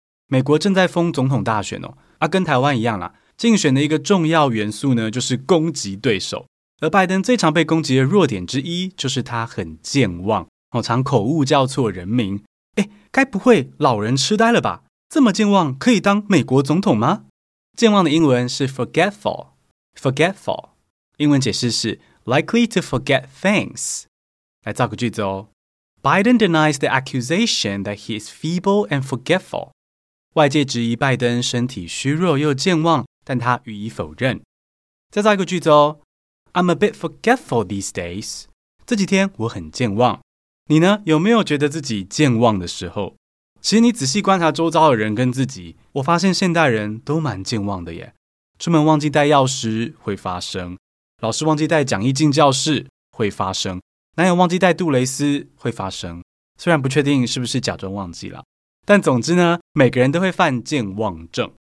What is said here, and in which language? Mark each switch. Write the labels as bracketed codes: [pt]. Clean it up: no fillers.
[zh] 美国正在封总统大选哦，啊，跟台湾一样啦，竞选的一个重要元素呢，就是攻击对手。而拜登最常被攻击的弱点之一，就是他很健忘，哦，常口误叫错人名。诶，该不会老人痴呆了吧？这么健忘可以当美国总统吗？健忘的英文是 forgetful， forgetful， 英文解释是 [en] likely to forget things。 [zh] 来造个句子哦。 [en] Biden denies the accusation that he is feeble and forgetful. [zh] 外界质疑拜登身体虚弱又健忘，但他予以否认。再造一个句子哦。 [en] I'm a bit forgetful these days. [zh] 这几天我很健忘。你呢？有没有觉得自己健忘的时候？其实你仔细观察周遭的人跟自己，我发现现代人都蛮健忘的耶。出门忘记带钥匙会发生，老师忘记带讲义进教室会发生，男友忘记带杜蕾斯会发生，虽然不确定是不是假装忘记了，但总之呢，每个人都会犯健忘症。